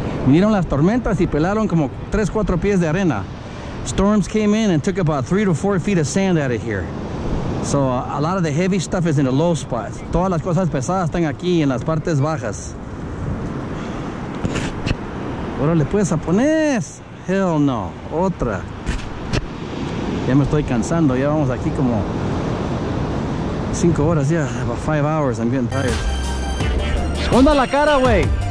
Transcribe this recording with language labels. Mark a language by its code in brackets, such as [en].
[es] Vinieron las tormentas y pelaron como 3-4 pies de arena. [en] Storms came in and took about 3-4 feet of sand out of here. So a lot of the heavy stuff is in the low spots. [es] Todas las cosas pesadas están aquí en las partes bajas. Órale pues, japonés. [en] Hell no, [es] otra. Ya me estoy cansando, ya vamos aquí como 5 horas, ya, yeah. [en] About 5 hours, I'm getting tired. [es] Esconda la cara, güey.